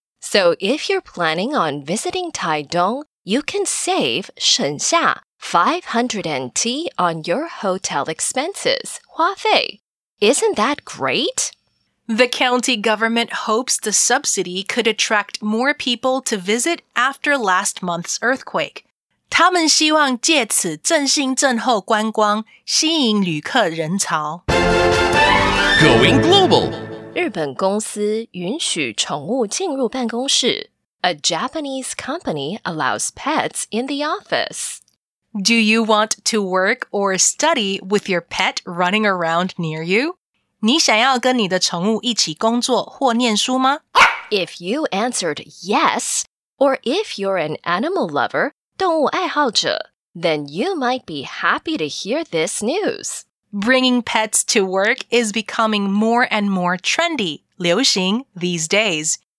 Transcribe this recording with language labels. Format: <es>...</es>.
<en>So if you're planning on visiting Taitung, you can save</en> <zh>省下</zh> <en>500 NT on your hotel expenses,</en> <zh>花费.</zh> <en>Isn't that great? The county government hopes the subsidy could attract more people to visit after last month's earthquake.</en> <zh>他们希望借此振兴震后观光，吸引旅客人潮。</zh> <en>Going global!</en> <zh>日本公司允许宠物进入办公室。</zh> <en>A Japanese company allows pets in the office. Do you want to work or study with your pet running around near you?</en> <zh>你想要跟你的宠物一起工作或念书吗?</zh> <en>If you answered yes, or if you're an animal lover,</en> <zh>动物爱好者,</zh> <en>then you might be happy to hear this news. Bringing pets to work is becoming more and more trendy,</en> <zh>流行,</zh> <en>these days.</en>